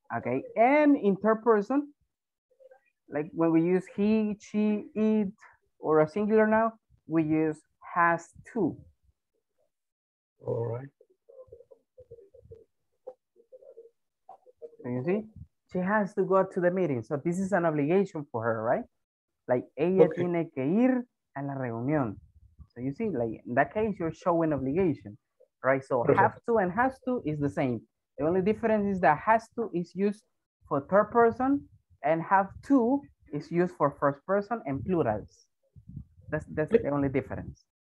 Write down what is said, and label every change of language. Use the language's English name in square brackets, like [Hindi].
[English] Okay, and in third person, like when we use he, she, it, or a singular noun, we use has to. All right. So you see, she has to go to the meeting. So this is an obligation for her, right? [Spanish] Like ella tiene que ir a la reunión. [English] So you see, like in that case, you're showing obligation, right? So have to and has to is the same. The only difference is that has to is used for third person and have to is used for first person and plurals. That's the only difference.